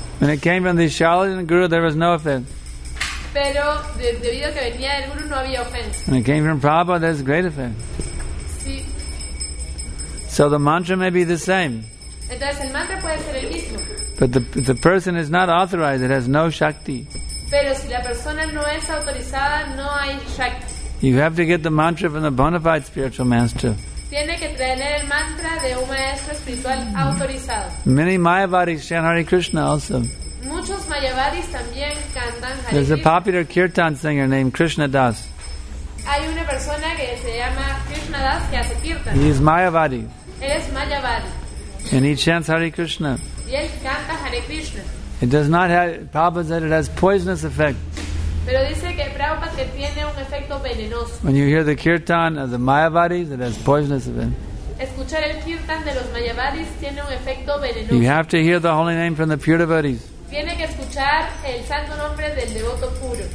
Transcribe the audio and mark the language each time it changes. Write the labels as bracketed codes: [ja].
[en] When it came from the charlatan guru there was no offense. [es] Pero debido a que venía del guru no había offense. [en] When it came from Prabhupada there's great offense. [es] Sí. [en] So the mantra may be the same. [es] Entonces el mantra puede ser el mismo. [en] But the person is not authorized, it has no shakti. [es] Pero si la persona no es autorizada, no hay shakti. [en] You have to get the mantra from the bona fide spiritual master. [es] Tiene que tener el mantra de un maestro espiritual autorizado. [en] Many Mayavadis chant Hare Krishna also. [es] Muchos Mayavadis también cantan Hare. [en] There's a popular kirtan singer named Krishna Das. [es] Hay una persona que se llama Krishna Das que hace kirtan. [en] He is Mayavadi. [es] Él es Mayavadi. [en] And he chants Hare Krishna. [es] Y él canta Hare Krishna. [en] It does not have, Prabhupada said it has poisonous effect. [es] Pero dice que Prabhupada que tiene un efecto venenoso. [en] When you hear the kirtan of the Mayavadis, it has poisonous effect. [es] Escuchar el kirtan de los Mayavadis tiene un efecto venenoso. [en] You have to hear the holy name from the pure devotees. [es] Tiene que escuchar el santo nombre del devoto puro.